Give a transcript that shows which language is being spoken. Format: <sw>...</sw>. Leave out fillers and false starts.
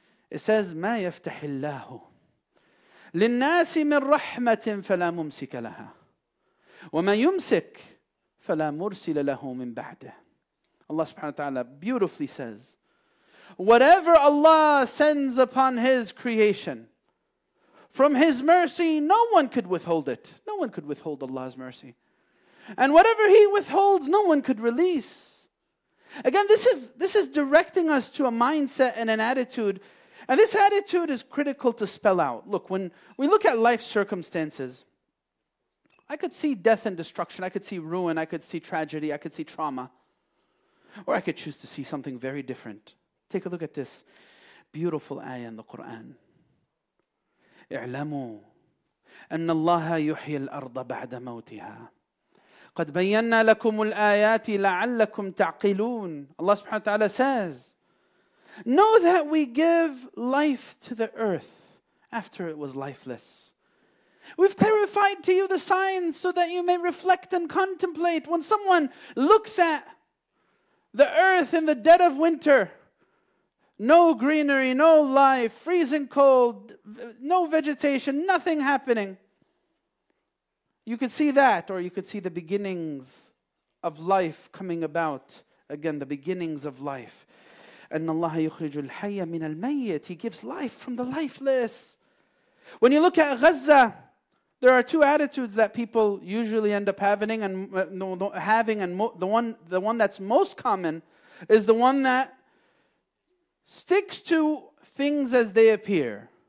<en>It says,</en> <ar>مَا يَفْتَحِ اللَّهُ لِلنَّاسِ مِنْ رَحْمَةٍ فَلَا مُمْسِكَ لَهَا وَمَا يُمْسِكْ فَلَا مُرْسِلَ لَهُ مِنْ بَعْدِهِ.</ar> <en>Allah subhanahu wa ta'ala beautifully says, whatever Allah sends upon His creation, from His mercy, no one could withhold it. No one could withhold Allah's mercy. And whatever He withholds, no one could release. Again, this is directing us to a mindset and an attitude. And this attitude is critical to spell out. Look, when we look at life circumstances, I could see death and destruction. I could see ruin. I could see tragedy. I could see trauma. Or I could choose to see something very different. Take a look at this beautiful ayah in the Quran.</en> <ar>اعلموا أن الله يحيي الأرض بعد موتها قد بينا لكم الآيات لعلكم تعقلون.</ar> <en>Allah subhanahu wa ta'ala says, know that we give life to the earth after it was lifeless. We've clarified to you the signs so that you may reflect and contemplate. When someone looks at the earth in the dead of winter, no greenery, no life, freezing cold, no vegetation, nothing happening. You could see that, or you could see the beginnings of life coming about. Again, the beginnings of life. And</en> <ar>Allah يخرج الحي من الميت.</ar> <en>He gives life from the lifeless. When you look at Gaza, there are two attitudes that people usually end up having, and the one that's most common is the one that sticks to things as they appear.</en>